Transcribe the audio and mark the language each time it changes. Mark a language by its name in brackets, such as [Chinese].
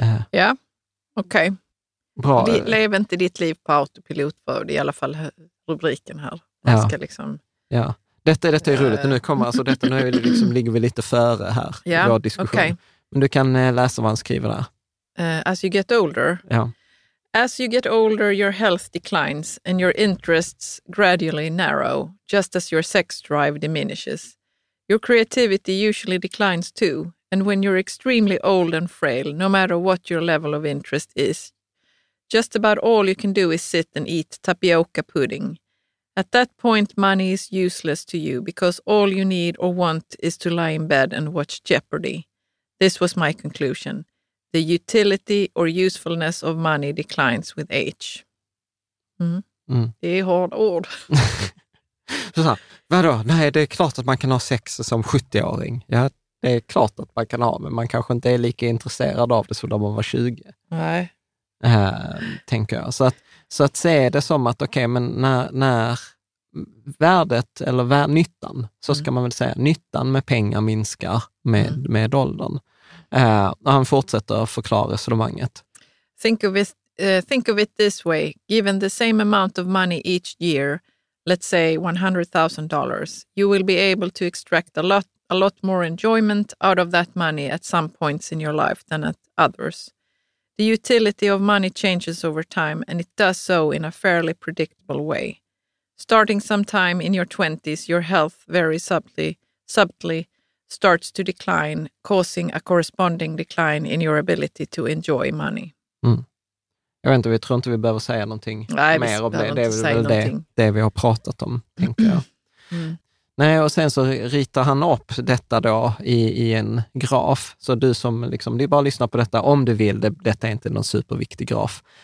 [Swedish] Ja, okej. Okay. Lev inte ditt liv på autopilot, för det är i alla fall rubriken här. Ska liksom... Ja. Detta är roligt, nu kommer alltså detta, nu liksom ligger vi lite före här, yeah, i vår diskussion. Okay. Men du kan läsa vad han skriver där. [English] As you get older. [Swedish] Ja. [English] As you get older, your health declines and your interests gradually narrow, just as your sex drive diminishes. Your creativity usually declines too, and when you're extremely old and frail, no matter what your level of interest is, just about all you can do is sit and eat tapioca pudding. At that point, money is useless to you because all you need or want is to lie in bed and watch Jeopardy. This was my conclusion. The utility or usefulness of money declines with age. Mm. Mm. [Swedish] Det är hårda ord. Så, Vadå? Nej, det är klart att man kan ha sex som 70-åring. Ja, det är klart att man kan ha, men man kanske inte är lika intresserad av det som när man var 20. Nej. Tänker jag. Så att se det som att okej, men när värdet eller nyttan, så ska man väl säga, nyttan med pengar minskar med åldern. Han fortsätter att förklara resonemanget. [English] Think of it this way. Given the same amount of money each year, let's say $100,000, you will be able to extract a lot more enjoyment out of that money at some points in your life than at others. The utility of money changes over time, and it does so in a fairly predictable way. Starting sometime in your 20s, your health very subtly starts to decline, causing a corresponding decline in your ability to enjoy money. Mm. [Swedish] Jag vet inte, vi tror inte vi behöver säga någonting mer om det. Det är väl det vi har pratat om, tänker jag. Nej, och sen så ritar han upp detta då i en graf. Så du som liksom, det är bara att lyssna på detta om du vill. Detta är inte någon superviktig graf.